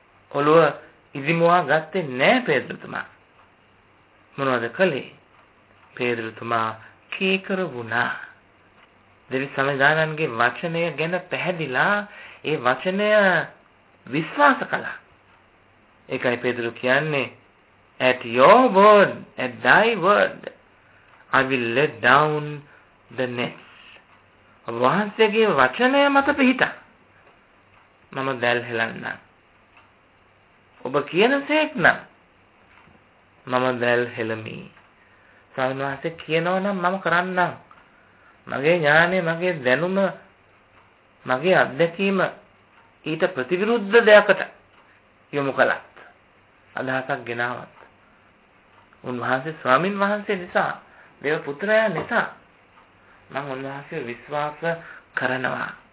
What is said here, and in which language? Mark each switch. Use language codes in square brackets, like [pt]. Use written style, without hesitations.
[si] ඔළුව ඉදිමුවා ගත්තේ නෑ පේදරතුමා. මොනවද කළේ? පේදරතුමා කීකර වුණා. දෙවි සමිදානන්ගේ වචනය ගැන පැහැදිලා ඒ වචනය විශ්වාස කළා. ඒකයි පේදරු කියන්නේ [en] at your word, at thy word, I will let down the nets. [si] වහන්සේගේ වචනය මත පිහිටා මම දැල් හෙලන්නම්. ඔබ කියන සේක් නම් මම දැල් හෙලමි. ස්වාමීන් වහන්සේ කියනවා නම් මම කරන්නම්. මගේ ඥානය, මගේ දැනුම, මගේ අත්දැකීම ඊට ප්‍රතිවිරුද්ධ දෙයකට යොමු කළත් අදහසක් ගෙනාවත් උන්වහන්සේ ස්වාමින් වහන්සේ නිසා, දේව පුත්‍රයා නිසා මම උන්වහන්සේ විශ්වාස කරනවා.